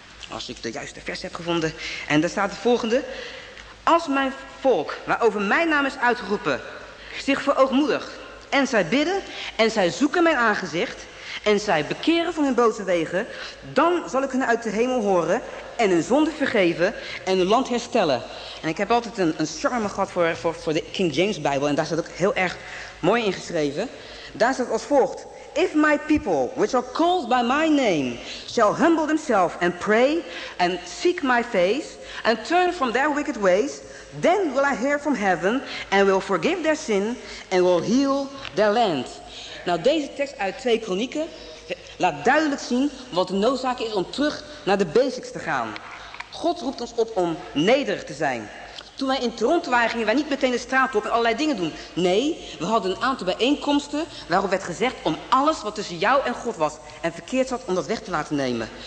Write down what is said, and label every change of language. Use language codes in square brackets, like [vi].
[nl] Als ik de juiste vers heb gevonden. En daar staat het volgende. Als mijn volk, waarover mijn naam is uitgeroepen, zich verootmoedigt en zij bidden en zij zoeken mijn aangezicht en zij bekeren van hun boze wegen, dan zal ik hun uit de hemel horen en hun zonden vergeven en hun land herstellen. En ik heb altijd een charme gehad voor de King James Bijbel. En daar staat ook heel erg mooi in geschreven. Daar staat als volgt. [en] If my people, which are called by my name, shall humble themselves and pray and seek my face and turn from their wicked ways, then will I hear from heaven and will forgive their sin and will heal their land. [nl] Nou, deze tekst uit 2 Kronieken laat duidelijk zien wat de noodzaak is om terug naar de basics te gaan. God roept ons op om nederig te zijn. Toen wij in Toronto waren, gingen wij niet meteen de straat op en allerlei dingen doen. Nee, we hadden een aantal bijeenkomsten waarop werd gezegd om alles wat tussen jou en God was en verkeerd zat, om dat weg te laten nemen.